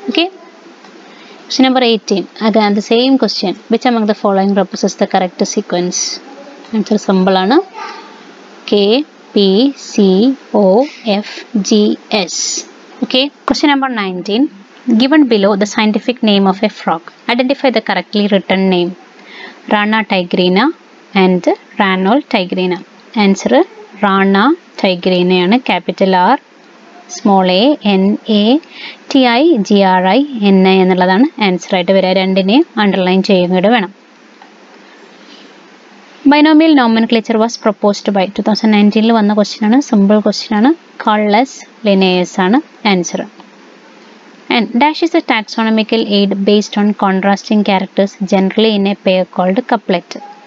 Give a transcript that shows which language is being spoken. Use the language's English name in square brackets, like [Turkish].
[English] Okay, question number 18, again the same question, which among the following represents the correct sequence. [Malayalam] Answer സിമ്പിളാണ്, K P C O F G S. [English] Okay, question number 19, given below the scientific name of a frog, identify the correctly written name. Rana tigrina and Ranol Tigrina. Answer, Rana Tigrina ആണ്. Capital R, small a, N A T I G R I N A [Malayalam] എന്നുള്ളതാണ് answer ആയിട്ട് വരിക. രണ്ടിനെയും underline ചെയ്യുന്നിട്ട് വേണം. [English] binomial nomenclature was proposed by 2019 [Malayalam] വന്ന question ആണ്. Simple question ആണ്. [English] Carolus Linnaeus ആണ് answer. And dash is a taxonomical aid based on contrasting characters generally in a pair called couplet.